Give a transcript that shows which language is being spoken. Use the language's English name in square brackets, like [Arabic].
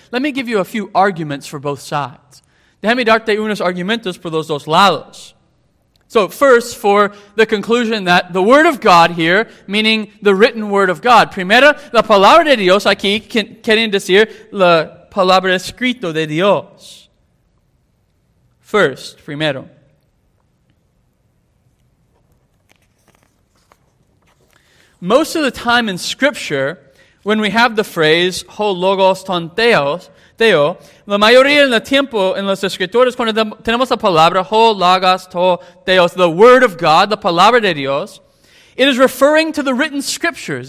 [English] Let me give you a few arguments for both sides. [Spanish] Déjame darte unos argumentos por los dos lados. [English] So first, for the conclusion that the Word of God here, meaning the written Word of God. [Spanish] Primera, la palabra de Dios aquí, quieren decir la palabra escrito de Dios. [English] First, primero. Most of the time in Scripture, when we have the phrase, ho logos ton theos, Teo, [Spanish] la mayoría en el tiempo en las escrituras cuando tenemos [English] la palabra ho logos to theos, the word of God, [Spanish] the palabra de Dios, [English] it is referring to the written scriptures.